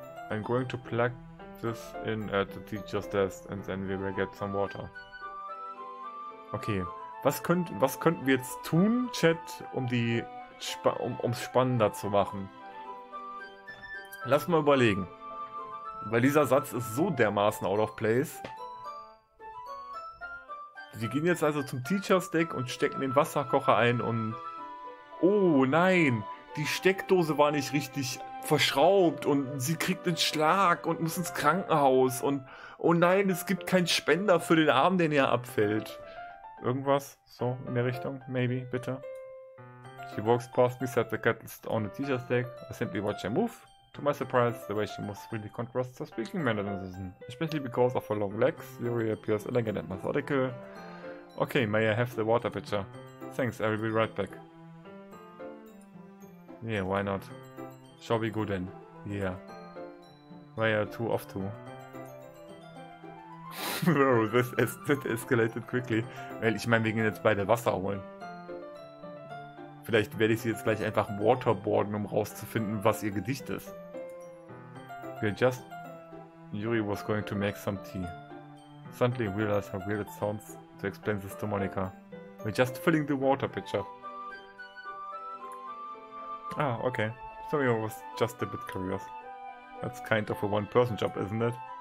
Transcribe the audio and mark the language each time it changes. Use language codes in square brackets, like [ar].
[en] I'm going to plug this in at the teacher's desk and then we will get some water. Okay. [de] Was könnten wir jetzt tun, Chat, um die um's spannender zu machen? Lass mal überlegen. Weil dieser Satz ist so dermaßen [en] out of place. [de] Wir gehen jetzt also zum Teacher's Deck und stecken den Wasserkocher ein und... Oh nein, die Steckdose war nicht richtig verschraubt und sie kriegt einen Schlag und muss ins Krankenhaus und... Oh nein, es gibt keinen Spender für den Arm, den ihr abfällt. Irgendwas so in der Richtung, maybe, bitte. [en] She walks past me, set the kettles on the teacher's deck. I simply watch her move. To my surprise, the way she moves really contrasts her speaking mannerism. Especially because of her long legs, Yuri appears elegant and methodical. Okay, may I have the water pitcher? Thanks, I will be right back. Yeah, why not? Shall we go then? Yeah. Raya, two of two. Bro, this escalated quickly. [de] Weil ich meine, wir gehen jetzt beide Wasser holen. Vielleicht werde ich sie jetzt gleich einfach waterboarden, um rauszufinden, was ihr Gedicht ist. [en] Yuri was going to make some tea. Suddenly realized how weird it sounds to explain this to Monica. We're just filling the water pitcher. Ah, okay. So I was just a bit curious. That's kind of a one-person job, isn't it?